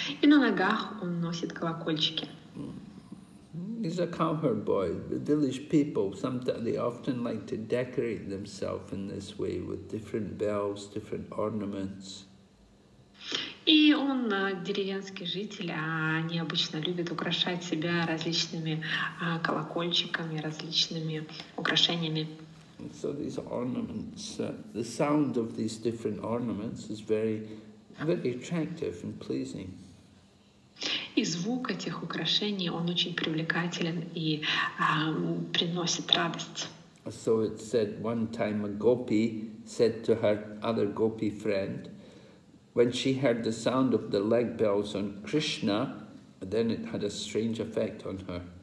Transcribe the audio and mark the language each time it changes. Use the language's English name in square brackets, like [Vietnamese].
[Russian] И на ногах он носит колокольчики. [English] He's a cowherd boy. The village people sometimes they often like to decorate themselves in this way with different bells, different ornaments. [Russian] И он деревенский житель, а они обычно любят украшать себя различными колокольчиками, различными украшениями. [English] So these ornaments, the sound of these different ornaments is very, very attractive and pleasing. [Russian] И звук этих украшений, он очень привлекателен и приносит радость. [English] So it said one time a gopi said to her other gopi friend, when she heard the sound of the leg bells on Krishna, then it had a strange effect on her.